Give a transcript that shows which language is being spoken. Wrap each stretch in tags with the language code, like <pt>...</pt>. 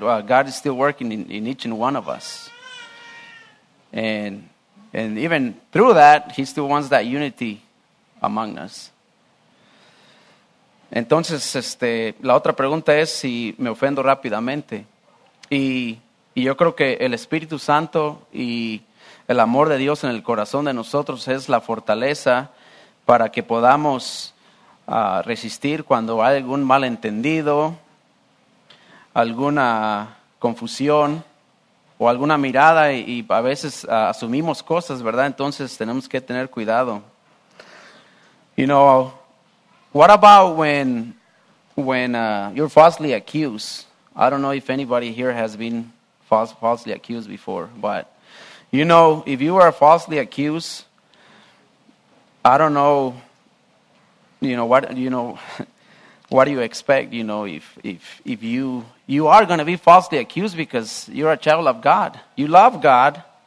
<en>God is still working in each and one of us. And even through that, he still wants that unity among us.</en> <es>Entonces, la otra pregunta es si me ofendo rápidamente. Y yo creo que el Espíritu Santo y el amor de Dios en el corazón de nosotros es la fortaleza para que podamos resistir cuando hay algún malentendido, alguna confusión o alguna mirada, y a veces asumimos cosas, ¿verdad? Entonces tenemos que tener cuidado.</es> <en>You know, what about when you're falsely accused? I don't know if anybody here has been falsely accused before, but you know, if you are falsely accused, I don't know, you know, what do you expect, you know, if you are going to be falsely accused, because you're a child of God. You love God.</en>